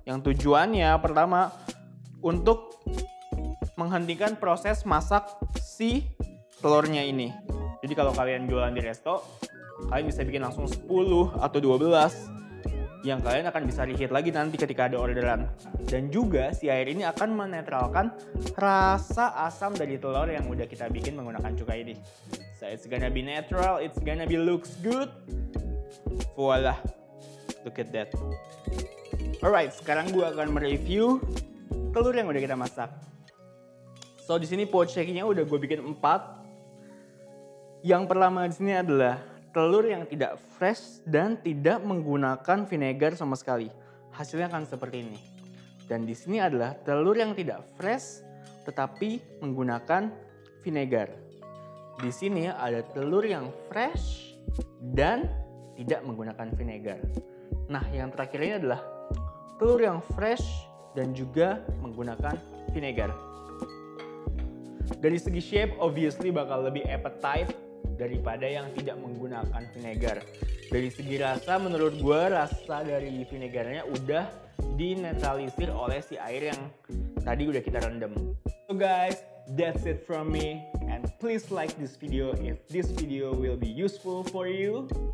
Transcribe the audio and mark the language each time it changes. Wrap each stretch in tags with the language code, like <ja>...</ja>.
<id>Yang tujuannya pertama untuk menghentikan proses masak si telurnya ini. Jadi kalau kalian jualan di resto, kalian bisa bikin langsung 10 atau 12 yang kalian akan bisa reheat lagi nanti ketika ada orderan. Dan juga si air ini akan menetralkan rasa asam dari telur yang udah kita bikin menggunakan cuka ini.</id> <en>So it's gonna be natural, it's gonna be looks good. Voila, look at that. Alright,</en> <id>sekarang gue akan mereview telur yang udah kita masak. So di sini poached egg-nya udah gue bikin 4. Yang pertama di sini adalah telur yang tidak fresh dan tidak menggunakan vinegar sama sekali. Hasilnya akan seperti ini. Dan di sini adalah telur yang tidak fresh tetapi menggunakan vinegar. Di sini ada telur yang fresh dan tidak menggunakan vinegar. Nah, yang terakhirnya adalah telur yang fresh dan juga menggunakan vinegar. Dari segi shape, obviously bakal lebih appetite daripada yang tidak menggunakan vinegar. Dari segi rasa, menurut gue rasa dari vinegarnya udah dinetralisir oleh si air yang tadi udah kita rendam.</id> <en>So guys, that's it from me. And please like this video if this video will be useful for you.</en>